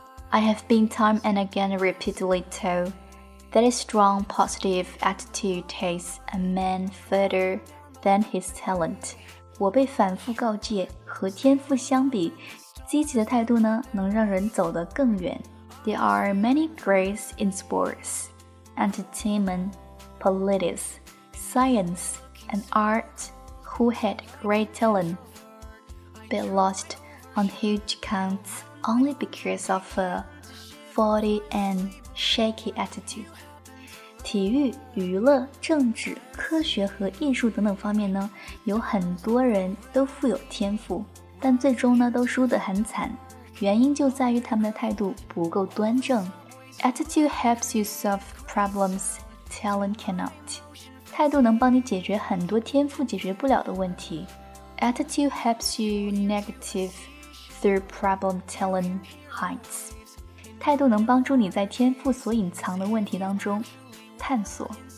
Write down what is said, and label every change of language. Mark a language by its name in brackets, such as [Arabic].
[English] I have been time and again repeatedly told that a strong positive attitude takes a man further than his talent。 [Chinese] 我被反复告诫，和天赋相比，积极的态度呢，能让人走得更远。 [English] There are many greats in sports, entertainment, politics, science, and art who had great talent, but lost on huge counts only because of a faulty and shaky attitude. [Chinese] 体育、娱乐、政治、科学和艺术等等方面呢，有很多人都富有天赋，但最终呢，都输得很惨。原因就在于他们的态度不够端正。 [English] Attitude helps you solve problems talent cannot. [Chinese] 态度能帮你解决很多天赋解决不了的问题。 [English] Attitude helps you negative through problem talent hides. [Chinese] 态度能帮助你在天赋所隐藏的问题当中探索。